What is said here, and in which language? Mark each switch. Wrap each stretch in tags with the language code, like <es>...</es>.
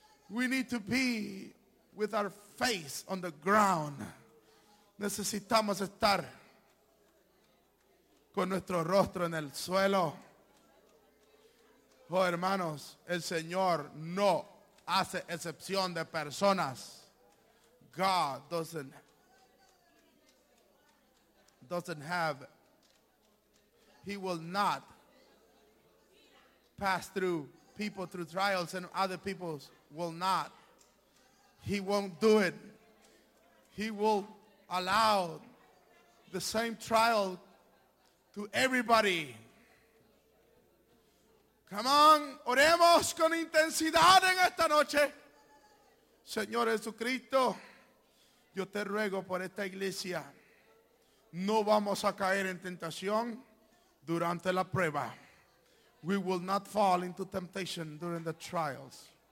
<en>We need to be with our face on the ground.</en> <es>Necesitamos estar con nuestro rostro en el suelo. Oh, hermanos, el Señor no hace excepción de personas.</es> <en>God doesn't have, he will not pass through people through trials and other people's will not. He won't do it. He will allow the same trial to everybody. Come on,</en> <es>oremos con intensidad en esta noche. Señor Jesucristo, yo te ruego por esta iglesia. No vamos a caer en tentación durante la prueba.</es> <en>We will not fall into temptation during the trials.</en>